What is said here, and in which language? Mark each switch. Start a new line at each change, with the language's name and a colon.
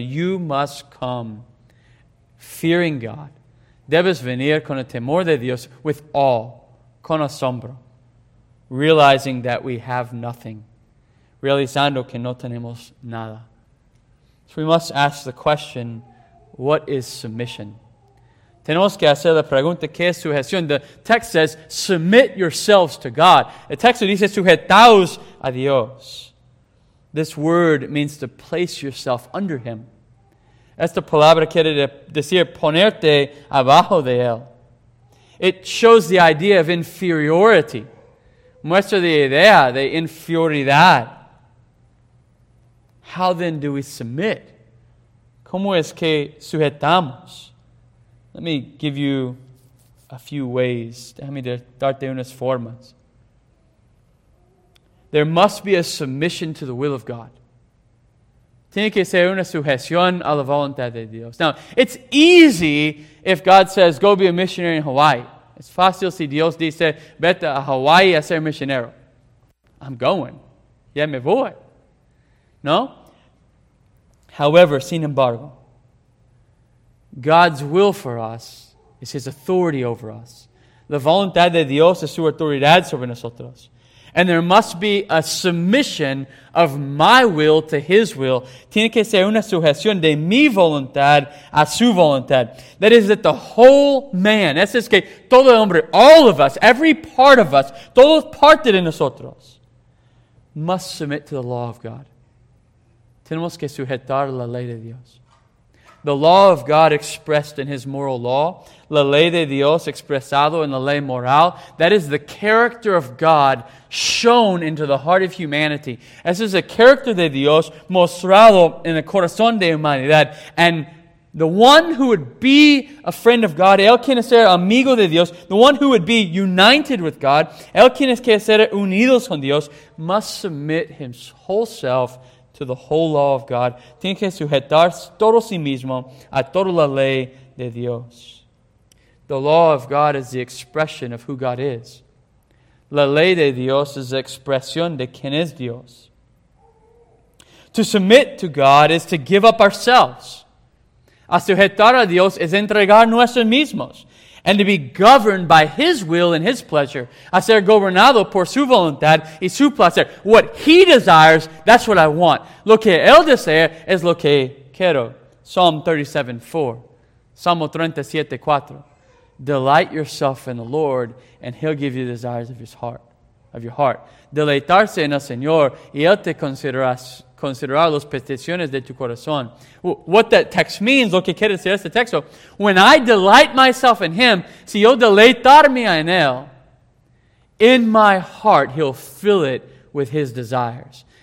English: You must come fearing God.
Spanish: Debes venir con el temor de Dios,
English: with awe,
Spanish: con asombro,
English: realizing that we have nothing.
Spanish: Realizando que no tenemos nada.
English: So we must ask the question, what is submission?
Spanish: Tenemos que hacer la pregunta, ¿qué es sujeción?
English: The text says, submit yourselves to God.
Spanish: El texto dice, sujetaos a Dios.
English: This word means to place yourself under Him.
Spanish: Esta palabra quiere decir ponerte abajo de Él.
English: It shows the idea of inferiority.
Spanish: Muestra la idea de inferioridad.
English: How then do we submit?
Spanish: ¿Cómo es que sujetamos?
English: Let me give you a few ways.
Spanish: Déjame darte unas formas.
English: There must be a submission to the will of God.
Spanish: Tiene que ser una sujeción a la voluntad de Dios.
English: Now, it's easy if God says, go be a missionary in Hawaii.
Spanish: Es fácil si Dios dice, vete a Hawaii a ser misionero.
English: I'm going.
Spanish: Ya me voy. No?
English: However,
Spanish: sin embargo,
English: God's will for us is His authority over us.
Spanish: La voluntad de Dios es su autoridad sobre nosotros.
English: And there must be a submission of my will to His will.
Spanish: Tiene que ser una sujeción de mi voluntad a su voluntad.
English: That is that the whole man,
Spanish: eso es que todo hombre,
English: all of us, every part of us,
Spanish: todo parte de nosotros,
English: must submit to the law of God.
Spanish: Tenemos que sujetar la ley de Dios.
English: The law of God expressed in His moral law,
Spanish: la ley de Dios expresado en la ley moral,
English: that is the character of God shown into the heart of humanity.
Spanish: Ese es el character de Dios mostrado en el corazón de humanidad.
English: And the one who would be a friend of God,
Spanish: él quiere ser amigo de Dios,
English: the one who would be united with God,
Spanish: él quiere ser unidos con Dios,
English: must submit his whole self to the whole law of God.
Spanish: Tiene que sujetarse todo sí mismo a toda la ley de Dios.
English: The law of God is the expression of who God is.
Spanish: La ley de Dios es la expresión de quién es Dios.
English: To submit to God is to give up ourselves.
Spanish: A sujetar a Dios es entregar nuestros mismos.
English: And to be governed by His will and His pleasure.
Spanish: A ser gobernado por su voluntad y su placer.
English: What He desires, that's what I want.
Spanish: Lo que Él desea es lo que quiero.
English: Psalm 37:4. Delight yourself in the Lord and He'll give you the desires of His heart, of your heart.
Spanish: Deleitarse en el Señor y Él te considerará las peticiones de tu corazón.
English: What that text means,
Spanish: lo que quiere decir este texto,
English: when I delight myself in Him,
Spanish: si yo deleitarme en Él,
English: in my heart He'll fill it with His desires.